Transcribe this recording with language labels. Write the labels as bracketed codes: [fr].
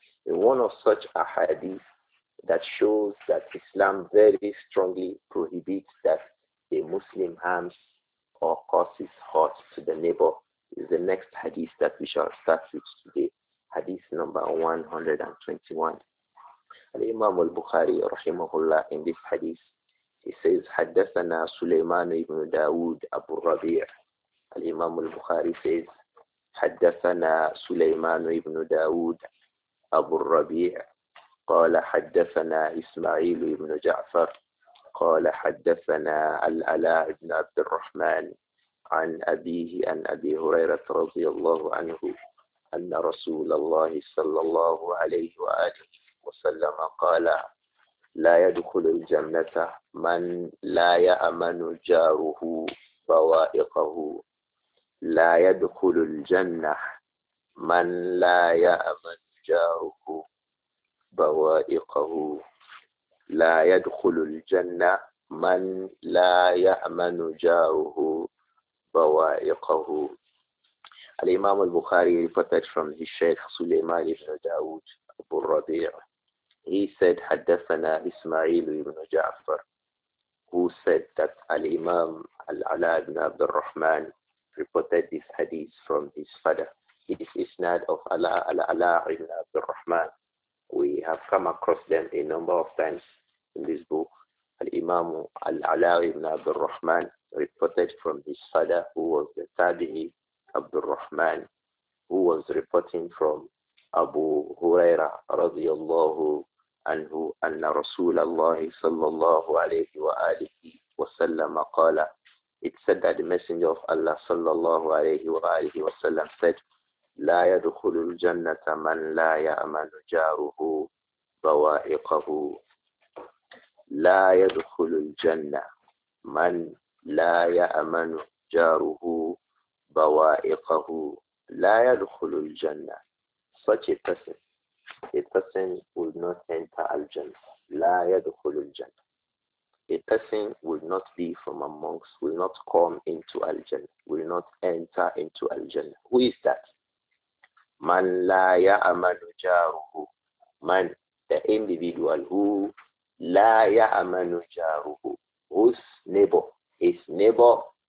[en] In one of such ahadith, that shows that Islam very strongly prohibits that a Muslim harms or causes hurt to the neighbor is the next hadith that we shall start with today. Hadith number 121. Al-Imam al-Bukhari, rahimahullah, in this hadith, he says, [ar] حدثنا سليمان ibn داود أبو الربيع. [en] Al-Imam al-Bukhari says, [ar] حدثنا سليمان ibn داود أبو الربيع. قال حدثنا إسماعيل بن جعفر قال حدثنا الألاء بن عبد الرحمن عن أبيه عن أبي هريرة رضي الله عنه أن رسول الله صلى الله عليه وآله وسلم قال لا يدخل الجنة من لا يأمن جاره بوائقه لا يدخل الجنة من لا يأمن جاره بوائقه لا يدخل الجنة من لا يأمن جاره بوائقه. الإمام البخاري [en] reported from his Sheikh [ar] سليمان بن داود أبو الربيع. [en] He said [ar] حدثنا إسماعيل بن جعفر, [en] who said that الإمام العلاء بن عبد الرحمن reported this hadith from his father. This is not of العلاء بن عبد الرحمن. We have come across them a number of times in this book. Al-Imam Al-Ala ibn Abdul Rahman reported from his father, who was the Tabi'i Abdul Rahman, who was reporting from Abu Huraira radiyallahu anhu, [ar] anna Rasulallah sallallahu alayhi wa alihi wa sallam qala. [en] It said that the Messenger of Allah sallallahu alayhi wa alihi wa sallam said, [ar] لا يدخل الجنة من لا يأمن جاره بوائقه لا يدخل الجنة [en] من لا يأمن جاره بوائقه لا يدخل الجنة. Such a person will not enter الجنة. [ar] لا يدخل الجنة. [en] A person will not be from amongst, will not come into الجنة, will not enter into الجنة. Who is that? [ar] Man la ya'amanu jaruhu. [en] Man, the individual who [ar] la ya'amanu jaruhu, [en] whose neighbor, his neighbor